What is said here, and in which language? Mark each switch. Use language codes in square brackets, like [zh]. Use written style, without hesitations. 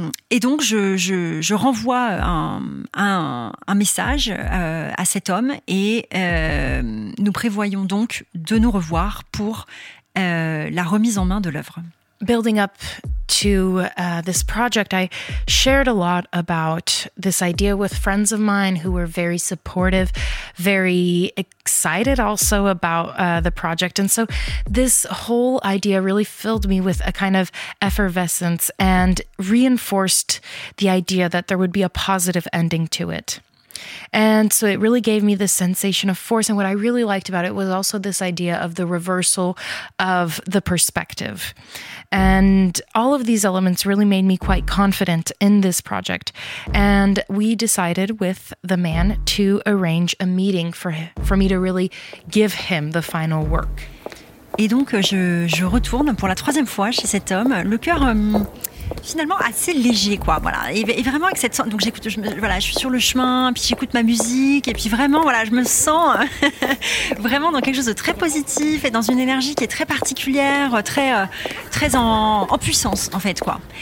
[fr] Et donc, je renvoie un message à cet homme. Et nous prévoyons donc de nous revoir pour la remise en main de l'œuvre. [en] Building up to this project, I shared a lot about this idea with friends of mine who were very supportive, very excited also about the project. And so this whole idea really filled me with a kind of effervescence and reinforced the idea that there would be a positive ending to it. And so it really gave me this sensation of force. And what I really liked about it was also this idea of the reversal of the perspective. And all of these elements really made me quite confident in this project. And we decided with the man to arrange a meeting for me to really give him the final work. [fr] Et donc je retourne pour la troisième fois chez cet homme, le cœur finalement assez léger, quoi. Voilà, et vraiment avec cette, donc j'écoute, je suis sur le chemin, puis j'écoute ma musique, et puis vraiment je me sens vraiment dans quelque chose de très positif et dans une énergie qui est très particulière, très très en puissance en fait, quoi.